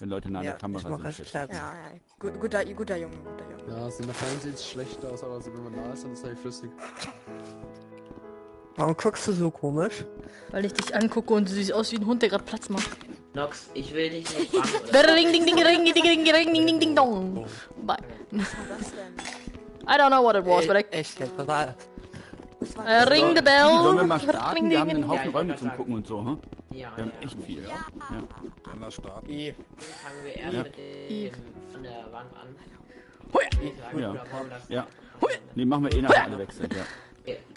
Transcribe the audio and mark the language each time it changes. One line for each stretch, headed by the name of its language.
German: Wenn Leute nahe der Kamera sind. Ja, ich mach das. Guter Junge. Ja, also in der Fernsehen sieht es schlecht aus, aber also wenn man nah ist, dann ist es halt flüssig. Warum guckst du so komisch? Weil ich dich angucke und du siehst aus wie ein Hund, der gerade Platz macht. Nox, ich will dich nicht fragen. Ring ding ding ring ding ding ring ding ding ding dong.
English: Bye. I don't know what it was, but I...
German: Echt, was war das?
English: Ring the bell!
German: Wollen wir mal starten? Ding, ding, wir haben einen Haufen Räume zum Gucken und so, hm? Ja, wir haben echt viel, ja. Ja. Können wir starten? Dann fangen wir erst von der Wand an. Hui! Ja. Hui! Ne, machen wir eh nachher alle wechseln, ja.